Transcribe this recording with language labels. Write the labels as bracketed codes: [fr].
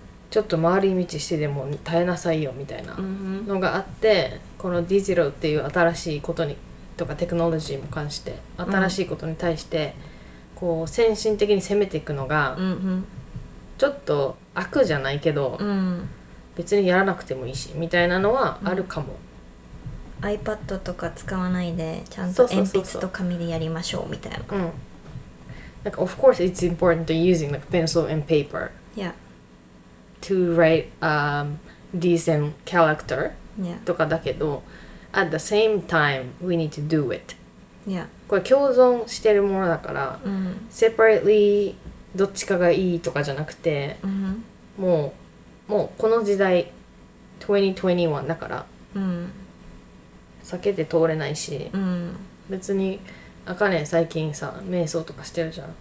[ja] ちょっと回り道してでも耐えなさいよみたいなのがあって、このディジロっていう新しいことにとかテクノロジーも関して新しいことに対してこう先進的に攻めていくのがちょっと悪じゃないけど、別にやらなくてもいいしみたいなのはあるかも。 iPad とか使わないでちゃんと鉛筆と紙でやりましょうみたいな。うん。 [en] Like, of course it's important to using like pencil and paper. Yeah. To write a decent character. Yeah. [ja] とかだけど、 [en] at the same time we need to do it. Yeah. [ja] これ共存してるものだから、うん、 separately どっちかがいいとかじゃなくて、うん、もうこの時代2021だから、うん、避けて通れないし、うん、別にあかね最近さ瞑想とかしてるじゃん、